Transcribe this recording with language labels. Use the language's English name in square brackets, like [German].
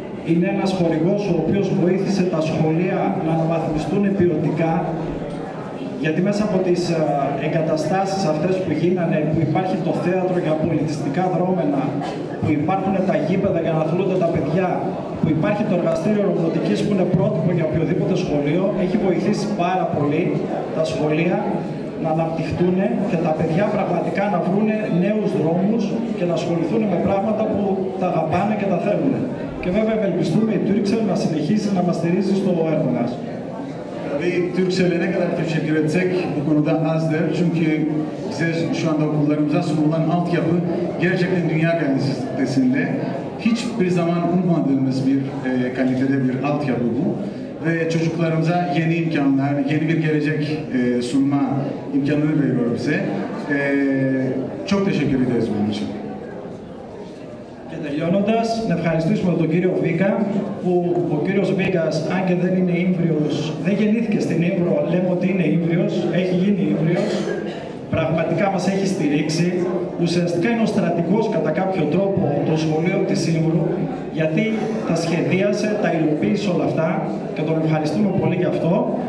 [Greek] Είναι ένας χορηγός ο οποίος βοήθησε τα σχολεία να αναβαθμιστούν ποιοτικά, γιατί μέσα από τις εγκαταστάσεις αυτές που γίνανε, που υπάρχει το θέατρο για πολιτιστικά δρόμενα, που υπάρχουν τα γήπεδα για να αθλούνται τα παιδιά, που υπάρχει το εργαστήριο ρομποτικής που είναι πρότυπο για οποιοδήποτε σχολείο, έχει βοηθήσει πάρα πολύ τα σχολεία να αναπτυχθούν και τα παιδιά πραγματικά να βρουν νέους δρόμους και να ασχοληθούν με πράγματα που τα αγαπάνε και τα θέλουν. Και βέβαια ευελπιστούμε η Τούριξελ να συνεχίσει να μας στηρίζει στο έργο μας. [Turkish] Türksel'e ne kadar teşekkür etsek bu konuda azdır. Çünkü bize şu anda okullarımıza sunulan altyapı gerçekten dünya kalitesinde. Hiçbir zaman ummadığımız bir kalitede bir altyapı bu. Ve çocuklarımıza yeni imkanlar, yeni bir gelecek sunma imkanını veriyor bize. Çok teşekkür ederiz bunun için. [Greek] Τελειώνοντας, να ευχαριστήσουμε τον κύριο Βίγκα, που ο κύριος Βίγκας, αν και δεν είναι Ίμβριος, δεν γεννήθηκε στην Ίμβρο, λέμε ότι είναι Ίμβριος, έχει γίνει Ίμβριος, πραγματικά μας έχει στηρίξει, ουσιαστικά είναι ο στρατηγός κατά κάποιο τρόπο το σχολείο της Ίμβρου, γιατί τα σχεδίασε, τα υλοποίησε όλα αυτά και τον ευχαριστούμε πολύ γι' αυτό.